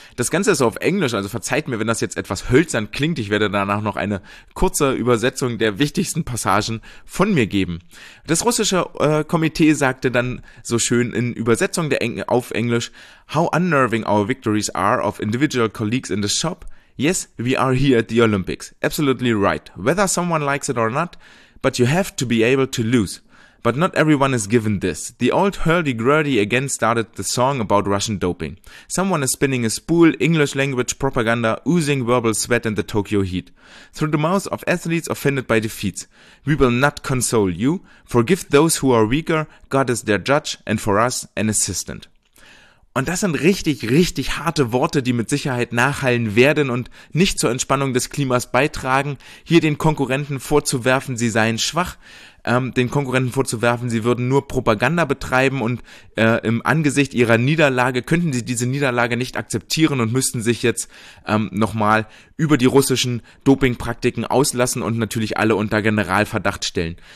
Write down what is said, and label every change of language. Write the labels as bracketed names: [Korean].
[German] Das Ganze ist auf Englisch, also verzeiht mir, wenn das jetzt etwas hölzern klingt. Ich werde danach noch eine kurze Übersetzung der wichtigsten Passagen von mir geben. Das russische Komitee sagte dann so schön in Übersetzung auf Englisch: [English] "How unnerving our victories are of individual colleagues in the shop. Yes, we are here at the Olympics. Absolutely right. Whether someone likes it or not, but you have to be able to lose. But not everyone is given this. The old hurdy-gurdy again started the song about Russian doping. Someone is spinning a spool, English language propaganda, oozing verbal sweat in the Tokyo heat. Through the mouths of athletes offended by defeats. We will not console you. Forgive those who are weaker. God is their judge and for us an assistant." [German] Und das sind richtig, richtig harte Worte, die mit Sicherheit nachhallen werden und nicht zur Entspannung des Klimas beitragen, hier den Konkurrenten vorzuwerfen, sie seien schwach, den Konkurrenten vorzuwerfen, sie würden nur Propaganda betreiben und im Angesicht ihrer Niederlage könnten sie diese Niederlage nicht akzeptieren und müssten sich jetzt nochmal über die russischen Dopingpraktiken auslassen und natürlich alle unter Generalverdacht stellen.